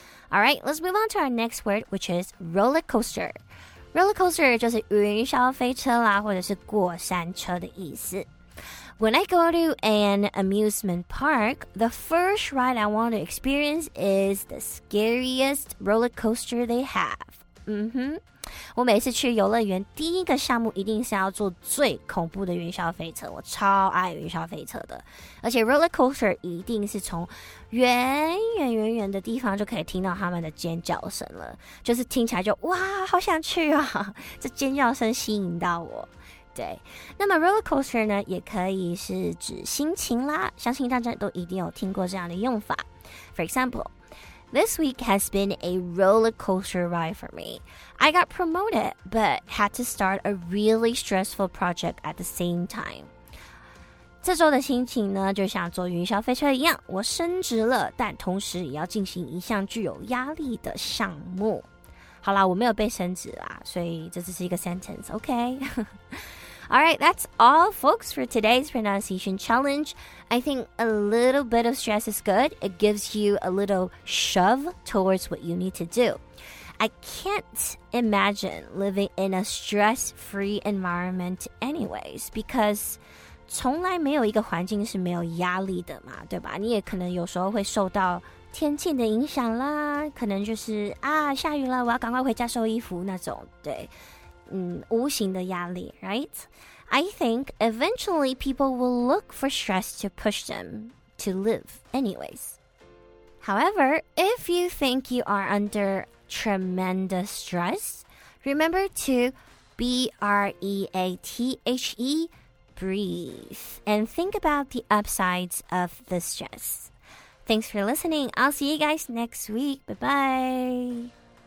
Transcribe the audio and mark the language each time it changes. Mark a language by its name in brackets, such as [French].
[English] Alright, let's move on to our next word, which is roller coaster. [Chinese] Roller coaster 就是云霄飞车啦，或者是过山车的意思。 [English] When I go to an amusement park, the first ride I want to experience is the scariest roller coaster they have. [Chinese] 嗯哼，我每次去游乐园，第一个项目一定是要坐最恐怖的云霄飞车。我超爱云霄飞车的，而且 roller coaster 一定是从远的地方就可以听到他们的尖叫声了，就是听起来就哇，好想去啊！这尖叫声吸引到我。对，那么 roller coaster 呢，也可以是指心情啦。相信大家都一定有听过这样的用法。 [English] For example. This week has been a roller coaster ride for me. I got promoted, but had to start a really stressful project at the same time. [Chinese] 这周的心情呢，就像坐云霄飞车一样，我升职了，但同时也要进行一项具有压力的项目。好啦，我没有被升职啦，所以这只是一个 [English] sentence, okay? Alright, that's all folks for today's pronunciation challenge. I think a little bit of stress is good. It gives you a little shove towards what you need to do. I can't imagine living in a stress-free environment anyways, because [Chinese] 从来没有一个环境是没有压力的嘛，对吧？你也可能有时候会受到天气的影响啦，可能就是啊，下雨了，我要赶快回家收衣服那种，对。无形的压力 [English] right? I think eventually people will look for stress to push them to live anyways. However, if you think you are under tremendous stress, remember to breathe, breathe, and think about the upsides of the stress. Thanks for listening. I'll see you guys next week. Bye-bye.